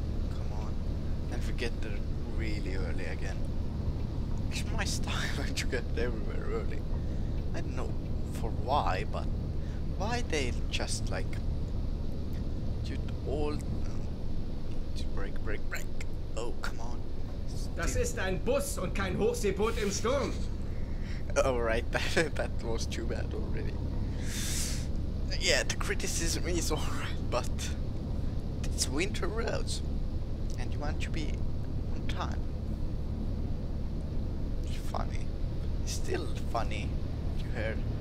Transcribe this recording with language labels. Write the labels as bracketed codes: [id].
[en] Come on, and we get there really early again. It's my style to get everywhere early. I don't know for why, but why they just like do all to break. Oh, come on. [de] Das ist ein Bus und kein Hochseeboot im Sturm. [en] Alright, that was too bad already. Yeah, the criticism is alright, but it's winter roads, and you want to be on time. It's funny. It's still funny, you heard.